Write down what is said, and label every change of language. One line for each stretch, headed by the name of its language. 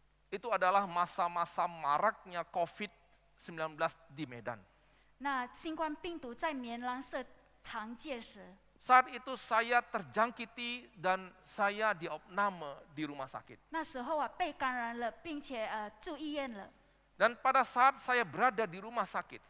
Indonesian: Itu adalah masa-masa maraknya COVID-19 di Medan.
Chinese: 那新冠病毒在棉兰社常见时。
Indonesian: Saat itu saya terjangkiti dan saya diopname di rumah sakit.
Chinese: 那时候我被感染了，并且住医院了。
Indonesian: Dan pada saat saya berada di rumah sakit,